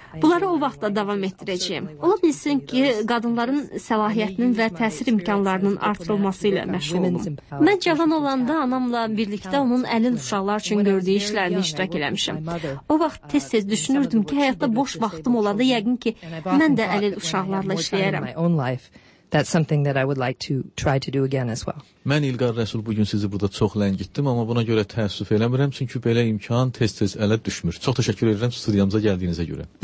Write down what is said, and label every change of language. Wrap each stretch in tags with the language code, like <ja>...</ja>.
<az>Bunları o vaxtda davam etdirəcəyim. Ola bilsin ki, qadınların səlahiyyətinin və təsir imkanlarının artırılması ilə məşğul olum. Mən cavan olanda anamla birlikdə onun əlin uşaqlar üçün gördüyü işlərini iştirak eləmişim. O vaxt tez-tez düşünürdüm ki, həyatda boş vaxtım olanda yəqin ki, mən də əlil uşaqlarla işləyərəm.</az> <en>That's something that I would like to try to do again as well.</en> <az>Mən İlqar Rəsul bu gün sizi burada çox ləngitdim, amma buna görə təəssüf eləmirəm, çünki belə imkan tez-tez ələ düşmür. Çox təşəkkür edirəm studiyamıza gəldiyinizə görə.</az>